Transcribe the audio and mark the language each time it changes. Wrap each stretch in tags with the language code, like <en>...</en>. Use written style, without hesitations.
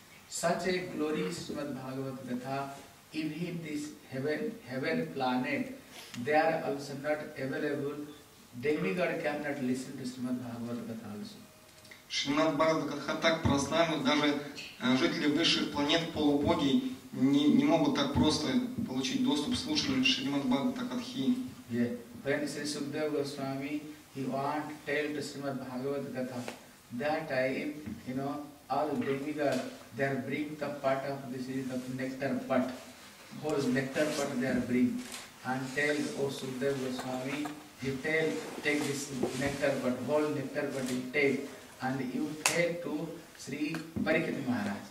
<en>Such a glory Srimad Bhagavata Katha, even this heaven planet, they are also not available. Demigod cannot listen to Srimad Bhagavata Katha also.</en> <ru>Srimad Bhagavata Katha так прославлен, даже жители высших планет полубоги не могут так просто получить доступ слушать Шримад Бхагавата Катхи. When Sri Sukadeva Goswami, he want to tell to Srimad Bhagavata Katha, that time, you know, all demigod, they are bring the pot of this is the nectar pot, whole nectar pot they are bring. And tell, O Sukadeva Goswami, you take this nectar pot, whole nectar pot you take, and you take to Sri Parikit Maharaj.</ru>